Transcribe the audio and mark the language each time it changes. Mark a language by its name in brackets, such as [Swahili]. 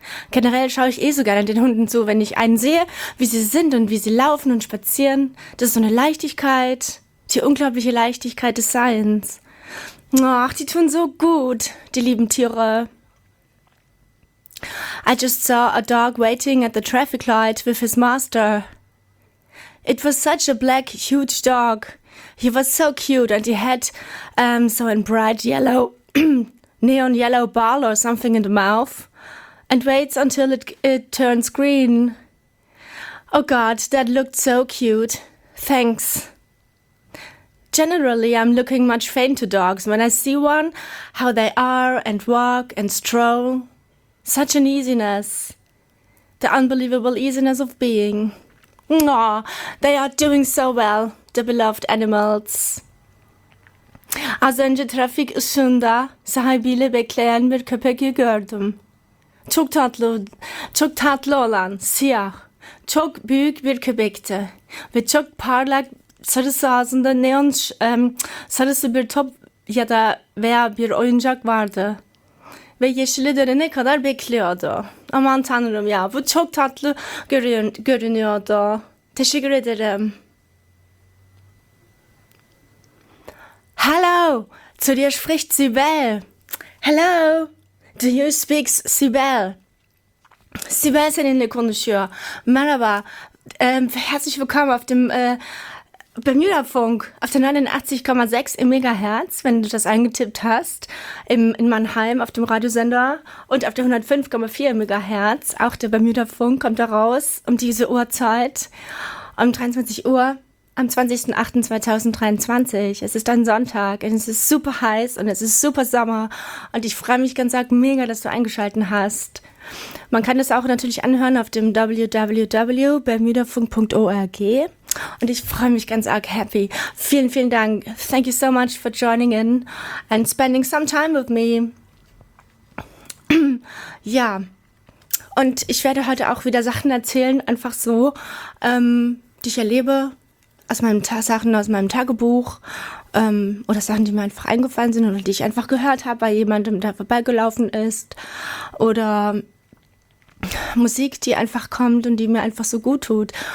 [German] Generell schaue ich eh so gerne den Hunden zu, wenn ich einen sehe, wie sie sind und wie sie laufen und spazieren. Das ist so eine Leichtigkeit, die unglaubliche Leichtigkeit des Seins. Ach, die tun so gut, die lieben Tiere. [English] I just saw a dog waiting at the traffic light with his master. It was such a black, huge dog. He was so cute and he had so a bright yellow, neon yellow ball or something in the mouth. And waits until it turns green. Oh God, that looked so cute. Thanks. Generally, I'm looking much faint to dogs when I see one, how they are and walk and stroll. Such an easiness. The unbelievable easiness of being. Aw, they are doing so well, the beloved animals. [Turkish] Az önce trafik ışığında sahibiyle bekleyen bir köpeği gördüm. Çok tatlı, çok tatlı olan, siyah, çok büyük bir köpekti ve çok parlak sarısı ağzında neon sarısı bir top ya da veya bir oyuncak vardı ve yeşile dönene kadar bekliyordu. Aman tanrım ya, bu çok tatlı görünüyordu. Teşekkür ederim. [German] Hello, zu dir spricht Sibel. [English] Hello. Do you speak Sibel? [Turkish] Sibel seninle konuşuyor. Merhaba. [German] Herzlich willkommen auf dem Bermuda-Funk auf der 89,6 im Megahertz, wenn du das eingetippt hast, in Mannheim auf dem Radiosender und auf der 105,4 im Megahertz. Auch der Bermuda-Funk kommt da raus um diese Uhrzeit, um 23 Uhr am 20.08.2023. Es ist ein Sonntag und es ist super heiß und es ist super Sommer und ich freue mich ganz arg mega, dass du eingeschalten hast. Man kann es auch natürlich anhören auf dem www.bermudafunk.org. Und ich freue mich ganz arg happy. Vielen, vielen Dank. [English] Thank you so much for joining in and spending some time with me. [German] Ja, und ich werde heute auch wieder Sachen erzählen, einfach so, die ich erlebe, aus meinem Tagebuch oder Sachen, die mir einfach eingefallen sind oder die ich einfach gehört habe, weil jemandem da vorbeigelaufen ist oder Musik, die einfach kommt und die mir einfach so gut tut.